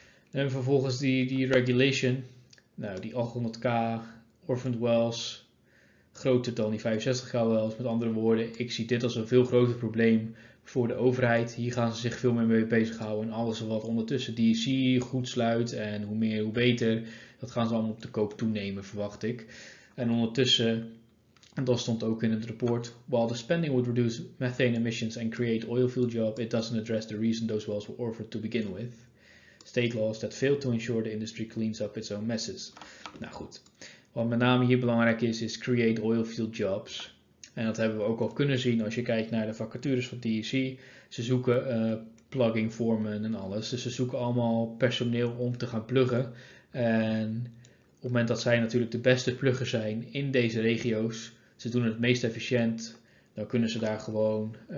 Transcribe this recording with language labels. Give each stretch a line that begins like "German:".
Dutch: En vervolgens die regulation, nou die 800k orphaned wells, groter dan die 65k wells. Met andere woorden, ik zie dit als een veel groter probleem voor de overheid. Hier gaan ze zich veel meer mee bezighouden en alles wat ondertussen DC goed sluit en hoe meer hoe beter, dat gaan ze allemaal op de koop toenemen, verwacht ik. En ondertussen, en dat stond ook in het rapport,
English: while the spending would reduce methane emissions and create oil field jobs, it doesn't address the reason those wells were offered to begin with. State laws that fail to ensure the industry cleans up its own messes.
Dutch: Nou goed, wat met name hier belangrijk is, is
English: create oil field jobs.
Dutch: En dat hebben we ook al kunnen zien als je kijkt naar de vacatures van DEC. Ze zoeken plugging vormen en alles. Dus ze zoeken allemaal personeel om te gaan pluggen. En op het moment dat zij natuurlijk de beste pluggers zijn in deze regio's, ze doen het meest efficiënt, dan kunnen ze daar gewoon...